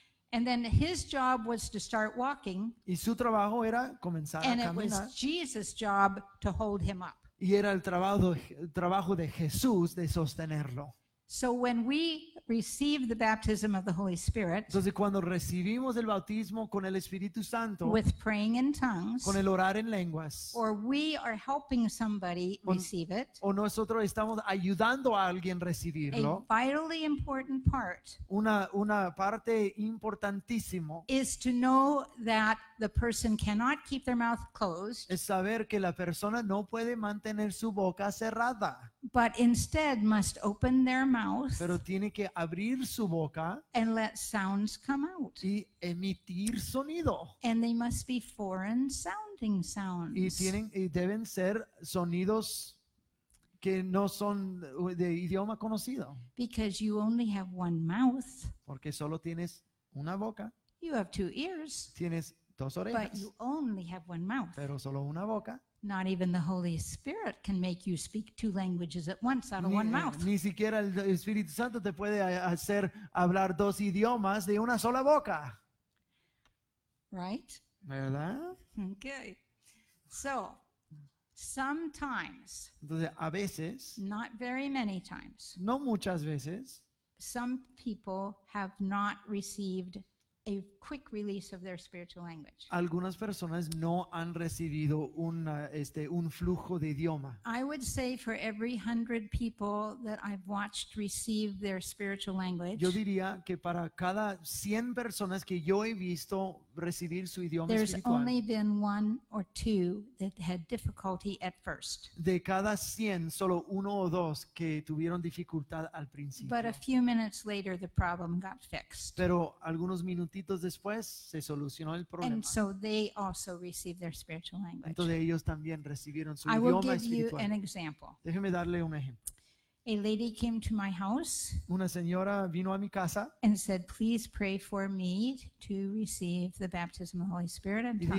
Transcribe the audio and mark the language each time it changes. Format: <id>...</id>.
<en>And then his job was to start walking.</en> <es>Y su trabajo era comenzar a caminar.</es> <en>And it was Jesus' job to hold him up.</en> <es>Y era el trabajo de Jesús de sostenerlo.</es> <en>So when we receive the baptism of the Holy Spirit,</en> <es>entonces cuando recibimos el bautismo con el Espíritu Santo,</es> <en>with praying in tongues,</en> <es>con el orar en lenguas,</es> <en>or we are helping somebody receive it,</en> <es>o nosotros estamos ayudando a alguien recibirlo,</es> <en>a vitally important part,</en> <es>una parte importantísimo,</es> <en>is to know that the person cannot keep their mouth closed,</en> <es>es saber que la persona no puede mantener su boca cerrada,</es> <en>but instead must open their mouth,</en> <es>pero tiene que abrir su boca,</es> <en>and let sounds come out,</en> <es>y emitir sonido,</es> <en>and they must be foreign sounding sounds,</en> <es>y deben ser sonidos que no son de idioma conocido,</es> <en>because you only have one mouth,</en> <es>porque solo tienes una boca,</es> <en>you have two ears,</en> <es>tienes dos orejas,</es> <en>but you only have one mouth,</en> <es>pero solo una boca.</es> <en>Not even the Holy Spirit can make you speak two languages at once out of one mouth.</en> <es>Ni siquiera el Espíritu Santo te puede hacer hablar dos idiomas de una sola boca.</es> <en>Right?</en> <es>¿Verdad?</es> <en>Okay. So, sometimes.</en> <es>Entonces, a veces.</es> <en>Not very many times.</en> <es>No muchas veces.</es> <en>Some people have not received a quick release of their spiritual language.</en> <es>Algunas personas no han recibido un flujo de idioma.</es> <en>I would say for every 100 people that I've watched receive their spiritual language,</en> <es>yo diría que para cada 100 personas que yo he visto recibir su idioma</es> <en>there's</en> <es>espiritual,</es> <en>only been one or two that had difficulty at first.</en> <es>De cada 100, solo uno o dos que tuvieron dificultad al principio.</es> <en>But a few minutes later, the problem got fixed.</en> <es>Pero algunos minutitos después se solucionó el problema.</es> <en>And so they also received their spiritual language.</en> <es>Entonces ellos también recibieron su</es> <en>I</en> <es>idioma</es> <en>will give</en> <es>espiritual.</es> <en>You an example.</en> <es>Déjeme darle un ejemplo.</es> <en>A lady came to my house.</en> <es>Una señora vino a mi casa.</es> <en>And said, "Please pray for me to receive the baptism of the Holy Spirit and tongues."</en>